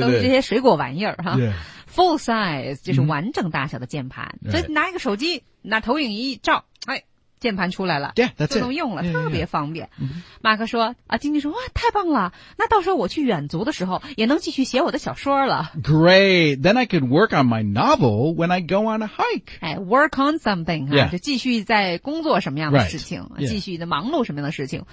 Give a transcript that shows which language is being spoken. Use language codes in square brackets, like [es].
[zh] 都是这些水果玩意儿。对、yeah. Full size, 就是完整大小的键盘。 Mm-hmm. 所以拿一个手机拿投影仪一照哎键盘出来了。 [en] Yeah, that's it. [zh] 就能用了 [en] yeah, [zh] 特别方便。 [en] Yeah, yeah. [zh] 马克说啊晶晶说哇太棒了那到时候我去远足的时候也能继续写我的小说了。 [en] Great, then I could work on my novel when I go on a hike. [zh] 哎 [en] work on something,、 [zh] 啊 [en] yeah. [zh] 就继续在工作什么样的事情、 [en] right. yeah. [zh] 继续的忙碌什么样的事情。